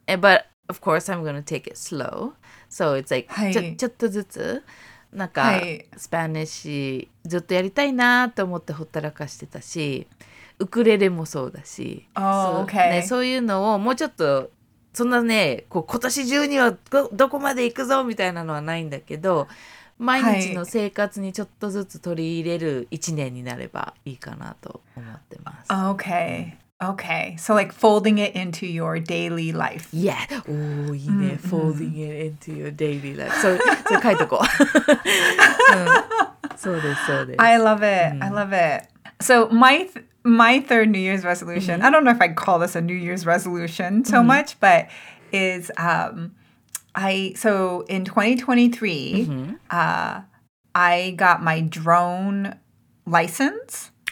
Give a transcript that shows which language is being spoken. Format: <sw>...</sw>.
<en>But of course, I'm going to take it slow. So it's like,</en> <ja>ちょっとずつ。なんか、スパニッシュずっとやりたいなと思ってほったらかしてたし、ウクレレもそうだし、そういうのをもうちょっと、そんなね、こう今年中にはどこまで行くぞみたいなのはないんだけど、毎日の生活にちょっとずつ取り入れる一年になればいいかなと思ってます。</ja> <en>Okay. So like folding it into your daily life. Yeah. Oh,</en> <ja>いいね.</ja> <en>Mm-hmm. Folding it into your daily life. So, so</en> <ja>書いとこう。そうです、そうです。</ja> <en>I love it. Mm-hmm. I love it. So my third New Year's resolution, I don't know if I'd call this a New Year's resolution so much, but is so in 2023, I got my drone license.</en>